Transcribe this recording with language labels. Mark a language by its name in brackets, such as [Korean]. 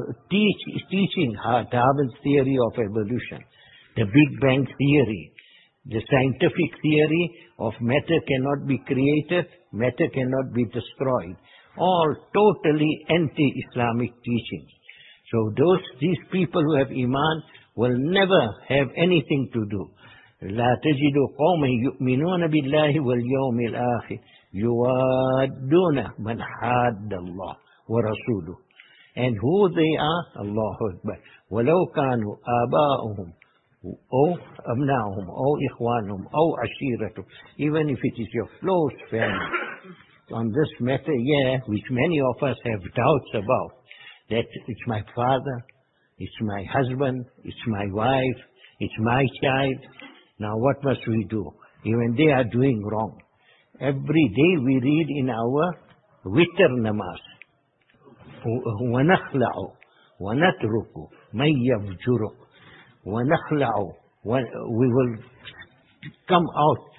[English] teaching Darwin's theory of evolution, the Big Bang theory, the scientific theory of matter cannot be created, matter cannot be destroyed, all totally anti-Islamic teachings. So these people who have iman will never have anything to do. [Arabic] لا تجدوا قوما يؤمنون بالله واليوم الآخر يوادون من حاد الله ورسوله. [English] And who they are, Allahu Akbar. [Arabic] ولو كانوا آباؤهم أو أبناؤهم أو إخوانهم أو عشيرتهم. [English] Even if it is your close family. On this matter, yeah, which many of us have doubts about, that it's my father, it's my husband, it's my wife, it's my child. Now what must we do? Even they are doing wrong. Every day we read in our witr namaz, [Arabic] وَنَخْلَعُ وَنَتْرُكُ مَنْ يَفْجُرُكُ وَنَخْلَعُ. [English] We will come out.